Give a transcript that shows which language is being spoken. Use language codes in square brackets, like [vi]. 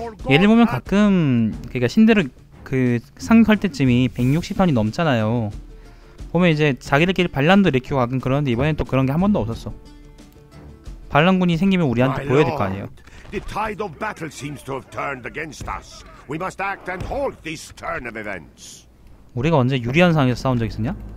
[ko] 얘들 보면 가끔 그러니까 신들을 그 상륙할 때쯤이 160판이 넘잖아요. 보면 이제 자기들끼리 반란도 일으키고 가끔 그러는데 이번엔 또 그런 게 한 번도 없었어. 반란군이 생기면 우리한테 보여야 될 거 아니에요. [en] The tide of battle seems to have turned against us. We must act and halt this turn of events. [ko] 우리가 언제 유리한 상황에서 싸운 적 있었냐?